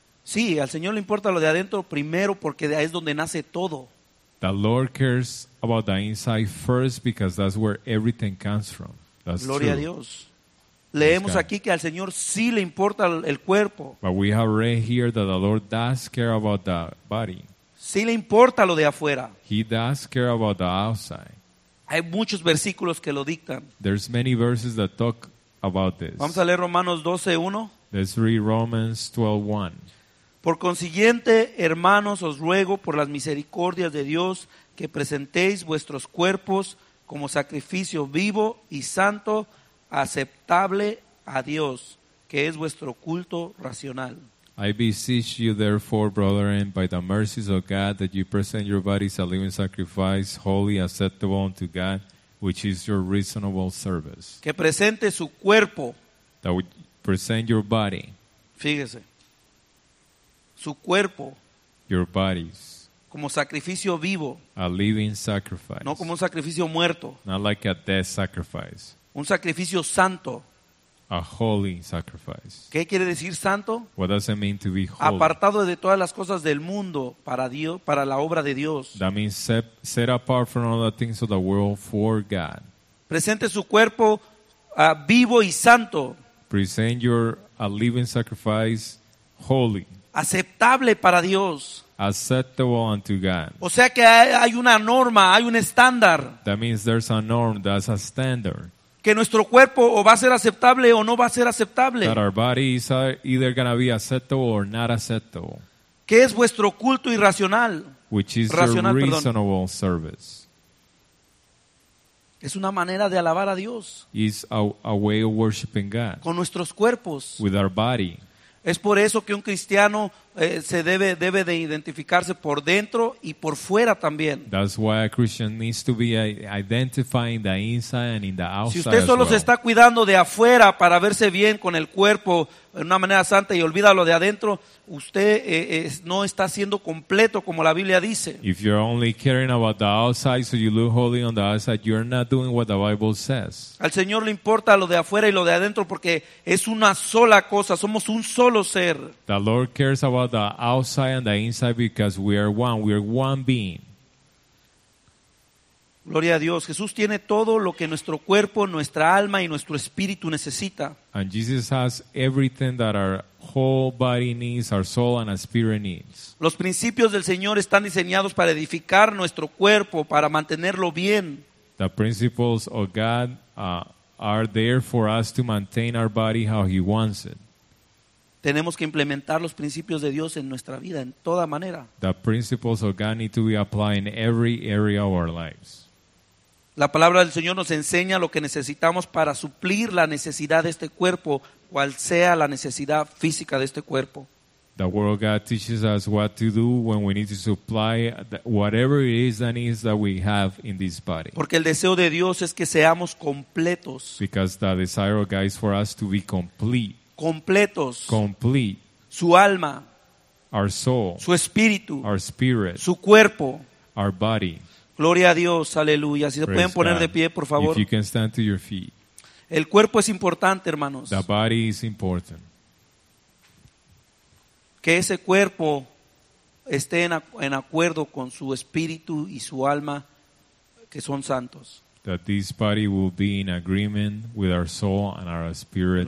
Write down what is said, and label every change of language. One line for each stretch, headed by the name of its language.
Spanish: Sí, al Señor le importa lo de adentro primero porque es donde nace todo.
English: The Lord cares about the inside first because that's where everything comes from. That's
Spanish: Gloria
English: true.
Spanish: A Dios. Leemos aquí que al Señor sí le importa el cuerpo.
English: But we have read here that the Lord does care about the body.
Spanish: Sí le importa lo de afuera.
English: He does care about the outside.
Spanish: Hay muchos versículos que lo dictan.
English: There's many verses that talk about this.
Spanish: Vamos a leer Romanos 12:1.
English: Let's read Romans 12:1.
Spanish: Por consiguiente, hermanos, os ruego por las misericordias de Dios que presentéis vuestros cuerpos como sacrificio vivo y santo, aceptable a Dios, que es vuestro culto racional.
English: I beseech you, therefore, brethren, by the mercies of God, that you present your bodies a living sacrifice, holy, acceptable unto God, which is your reasonable service.
Spanish: Que presente su cuerpo.
English: That would present your body.
Spanish: Fíjese. Su cuerpo.
English: Your bodies.
Spanish: como sacrificio vivo,
English: a living sacrifice,
Spanish: no como un sacrificio muerto,
English: not like a dead sacrifice,
Spanish: un sacrificio santo,
English: a holy sacrifice.
Spanish: ¿Qué quiere decir santo?
English: What does it mean to be holy?
Spanish: Apartado de todas las cosas del mundo para Dios, para la obra de Dios.
English: That means set apart from all the things of the world for God.
Spanish: Presente su cuerpo vivo y santo.
English: Present your a living sacrifice, holy.
Spanish: Aceptable para Dios.
English: Acceptable unto God.
Spanish: O sea que hay una norma, hay un estándar.
English: That means there's a norm, that's a standard.
Spanish: Que nuestro cuerpo o va a ser aceptable o no va a ser aceptable.
English: That our body is either going to be acceptable or not acceptable.
Spanish: ¿Qué es vuestro culto irracional?
English: Which is racional, reasonable, perdón, service.
Spanish: Es una manera de alabar a Dios.
English: Is a way of worshiping God.
Spanish: Con nuestros cuerpos.
English: With our body.
Spanish: Es por eso que un cristiano se debe de identificarse por dentro y por fuera también.
English: That's why a Christian needs to be identifying the inside and in the outside.
Spanish: Si usted solo se está cuidando de afuera para verse bien con el cuerpo en una manera santa y olvida lo de adentro, usted no está siendo completo como la Biblia dice.
English: If you're only caring about the outside so you look holy on the outside, you're not doing what the Bible says.
Spanish: Al Señor le importa lo de afuera y lo de adentro porque es una sola cosa, somos un solo ser.
English: The Lord cares about the outside and the inside because we are one, we are one being.
Spanish: Gloria a Dios. Jesús tiene todo lo que nuestro cuerpo, nuestra alma y nuestro espíritu necesita.
English: And Jesus has everything that our whole body needs, our soul and our spirit needs.
Spanish: Los principios del Señor están diseñados para edificar nuestro cuerpo, para mantenerlo bien.
English: The principles of God are there for us to maintain our body how He wants it.
Spanish: Tenemos que implementar los principios de Dios en nuestra vida, en toda manera.
English: The principles of God need to be applied in every area of our lives.
Spanish: La palabra del Señor nos enseña lo que necesitamos para suplir la necesidad de este cuerpo, cual sea la necesidad física de este cuerpo.
English: The Word of God teaches us what to do when we need to supply whatever it is that needs that we have in this body.
Spanish: Porque el deseo de Dios es que seamos completos.
English: Because the desire of God is for us to be complete.
Spanish: Completos.
English: Complete.
Spanish: Su alma.
English: Our soul.
Spanish: Su espíritu.
English: Our spirit.
Spanish: Su cuerpo.
English: Our body.
Spanish: Gloria a Dios, aleluya. Si se pueden poner de pie, por favor.
English: If you can stand to your feet.
Spanish: El cuerpo es importante, hermanos.
English: The body is important.
Spanish: Que ese cuerpo esté en acuerdo con su espíritu y su alma, que son santos.
English: That this body will be in agreement with our soul and our spirit.